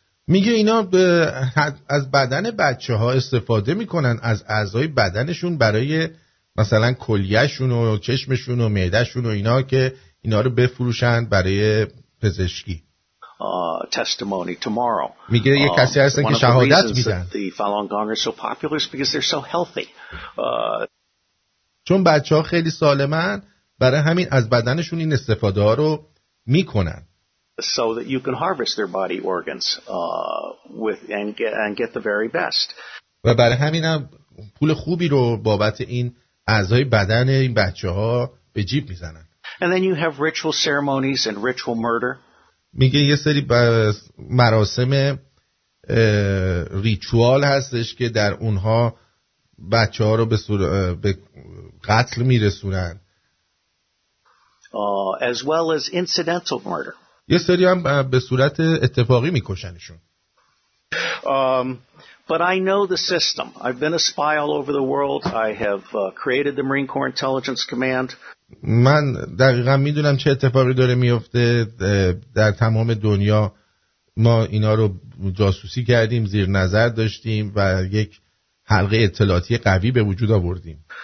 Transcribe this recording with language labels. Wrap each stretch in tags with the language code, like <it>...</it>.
<fa>میگه اینا از بدن بچه‌ها استفاده میکنن، از اعضای بدنشون برای مثلا کلیه‌شون و چشمشون و معده‌شون و اینا که اینا رو بفروشن برای پزشکی.</fa> <en>testimony tomorrow.</en> <fa>میگه یه کسی هستن که شهادت میدن.</fa> <en>The Falun Gong are so popular because they're so healthy.</en> <fa>چون بچه‌ها خیلی سالمن برای همین از بدنشون این استفاده رو میکنن.</fa> <en>So that you can harvest their body organs and get the very best.</en> <fa>و برای همین هم پول خوبی رو بابت این اعضای بدن این بچه‌ها به جیب میزنن.</fa> <en>And then you have ritual ceremonies and ritual murder.</en> <fa>میگه یه سری مراسم ریچوال هستش که در اونها بچه ها رو به قتل میرسونن.</fa> <en>As well as incidental murder.</en> <fa>یه سری هم به صورت اتفاقی میکشنشون.</fa> <en>But I know the system. I've been a spy all over the world. I have created the Marine Corps Intelligence Command.</en> <fa>من دقیقا میدونم چه اتفاقی داره میفته در تمام دنیا. ما اینا رو جاسوسی کردیم، زیر نظر داشتیم و یک حلقه اطلاعاتی قوی به وجود آوردیم.</fa>